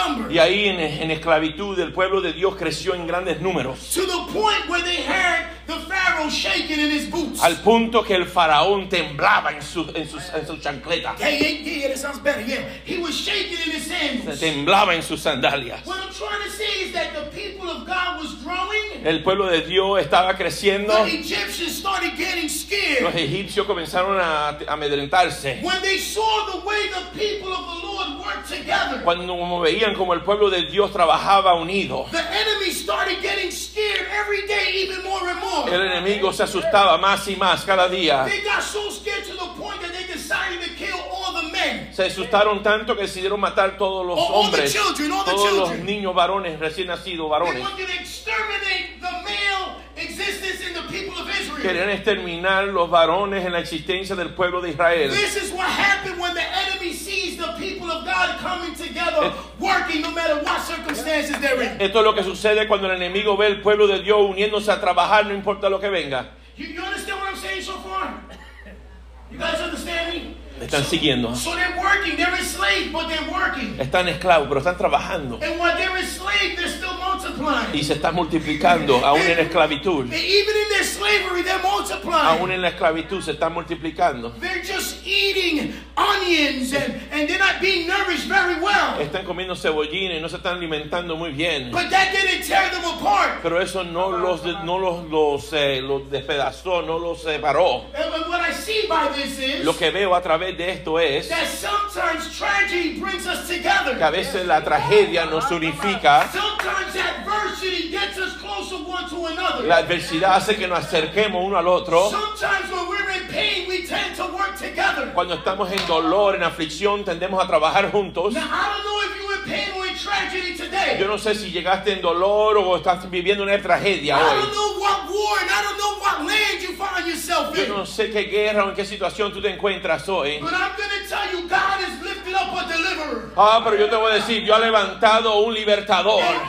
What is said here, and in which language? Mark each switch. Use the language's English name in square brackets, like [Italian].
[Spanish] Y ahí en esclavitud el pueblo de Dios creció en grandes números. [English] To the point where they heard the Pharaoh shaking in his boots. [Spanish] Al punto que el faraón temblaba en su chancleta. [English] He was shaking in his sandals. [Spanish] Se temblaba en sus sandalias. [English] What I'm trying to say is that the people of God was growing. [Spanish] El pueblo de Dios estaba creciendo. [English] The Egyptians started getting scared. [Spanish] Los egipcios comenzaron a amedrentarse. [English] When they saw the way the people of the Lord worked together. [Spanish] Cuando veían como el pueblo de Dios trabajaba unido. [English] The enemy started getting scared every day, even more and more. [Spanish] El enemigo se asustaba más y más cada día. [English] They got so scared to the point that they decided to kill all the men. [Spanish] Se asustaron tanto que decidieron matar todos los hombres. [English] All the children, all the [Spanish] todos [English] children. [Spanish] Los niños varones, recién nacidos varones. [English] They wanted to exterminate the male existence in the people of Israel. [Spanish] Querían exterminar los varones en la existencia del pueblo de Israel. [English] This is what happened when the enemy sees the people of God coming together, working no matter what circumstances they're in. [Spanish] Esto es lo que sucede cuando el enemigo ve el pueblo de Dios uniéndose a trabajar, no importa lo que venga. [English] You understand what I'm saying so far? You guys understand me? [Spanish] Están siguiendo. [English] So they're working. They're enslaved, but they're working. [Spanish] Están esclavos, pero están trabajando. [English] And while they're enslaved, they're still multiplying. [Spanish] Y se están multiplicando, aún en esclavitud. [English] Even in their slavery, they're multiplying. [Spanish] Aún en la esclavitud se están multiplicando. [English] They're just eating onions and they're not being nourished very well. [Spanish] Están comiendo cebollines y no se están alimentando muy bien. [English] But that didn't tear them apart. [Spanish] Pero eso no los despedazó, no los separó. [English] And what I see by this is, [Spanish] lo que veo a través de esto es [English] that sometimes tragedy brings us together. [Spanish] Que a veces la tragedia nos unifica. [English] Sometimes adversity gets us closer one to another. [Spanish] La adversidad hace que nos acerquemos uno al otro. [English] Sometimes when we're in pain, we tend to work together. [Spanish] Cuando estamos en dolor, en aflicción, tendemos a trabajar juntos. [English] Now, I don't know if you're in pain or in tragedy today. [Spanish] Yo no sé si llegaste en dolor o estás viviendo una tragedia hoy. [English] I don't know what war and I don't know what land you find yourself in. [Spanish] Yo no sé qué guerra o en qué situación tú te encuentras hoy. [English] But I'm going to tell you, God is lifting up a deliverer. [Spanish] Ah, pero yo te voy a decir, yo he levantado un libertador.